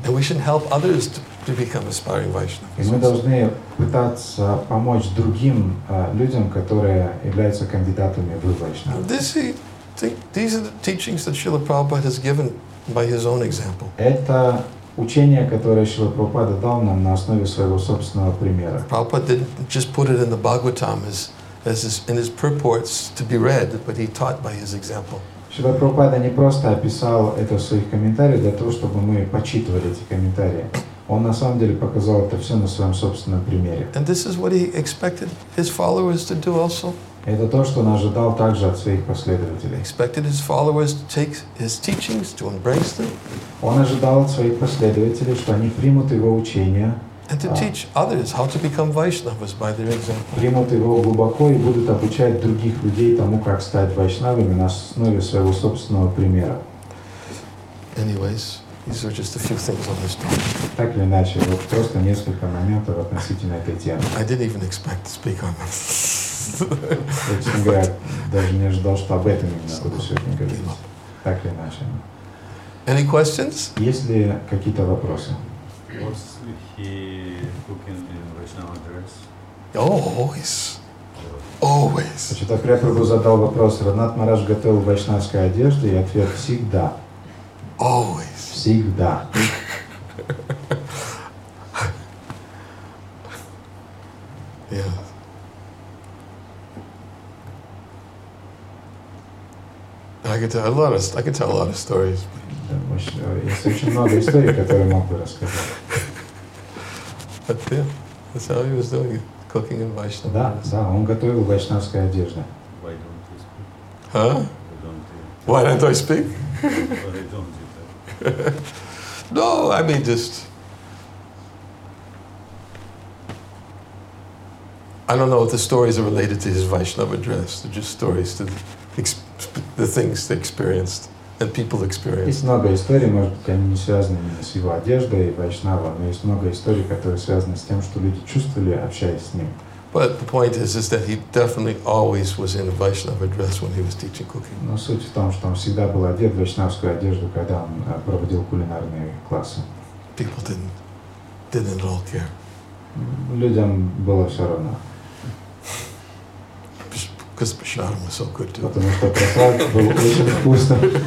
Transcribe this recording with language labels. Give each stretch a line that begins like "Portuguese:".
English: And we should help others to become aspiring Vaishnavas.
Russian: И мы должны пытаться помочь другим людям, которые являются кандидатами в Вайшнавы.
English: These are the teachings that Srila Prabhupada has given by his own example.
Russian: Это учение, которое Шрила Прабхупада дал нам на основе своего собственного примера.
English: Prabhupada didn't just put it in the Bhagavatam in his purports to be read, but he taught by his example.
Russian: Шрила Прабхупада не просто описал это в своих комментариях для того, чтобы мы почитывали эти комментарии. Он на самом деле показал это все на своем собственном примере.
English: And this is what he expected his followers to do also.
Russian: Это то, что он ожидал также от своих последователей.
English: Expected his followers to take his teachings, to embrace them.
Russian: Он ожидал от своих последователей, что они примут его учение.
English: And to teach others how to become Vaishnavas by their example.
Russian: Примут его глубоко и будут обучать других людей тому, как стать вайшнавами на основе своего собственного примера.
English: Anyways, These are just a few things on this topic.
Russian: Так или иначе, вот просто несколько моментов относительно этой темы.
English: I didn't even expect to speak on this.
Russian: Честно говоря, даже не ожидал, что об этом именно буду сегодня говорить. Так или иначе.
English: Any questions?
Russian: Есть ли какие-то вопросы?
English: Was he cooking in Vaishnava dress? Always. Always.
Russian: Значит, Ахрия Прабху задал вопрос, Раднат Мараш готовил в вайшнавской одежде, и ответ всегда.
English: Always.
Russian: Всегда.
English: Yeah. I could tell a lot of stories.
Russian: Есть очень много историй, которые мог бы рассказать.
English: But yeah, that's how he was doing it. Cooking in Vaishnava.
Russian: Да, да, он готовил вайшнавская одежда.
English: Why don't you speak? Huh? Why don't I speak? Why don't you? No, I mean just. I don't know if the stories are related to his Vaishnava dress. They're just stories to the things they experienced and people experienced.
Russian: Есть много историй, может быть, они не связаны именно с его одеждой и Вайшнава, но есть много историй, которые связаны с тем, что люди чувствовали, общаясь с ним.
English: But the point is that he definitely always was in a Vaishnava dress when he was teaching cooking.
Russian: Но суть в том, что он всегда был одет в вайшнавскую одежду, когда он проводил кулинарные классы.
English: People didn't at all care.
Russian: Людям было все равно.
English: Because Prasad was so good too.
Russian: Потому что Прасад был очень вкусным.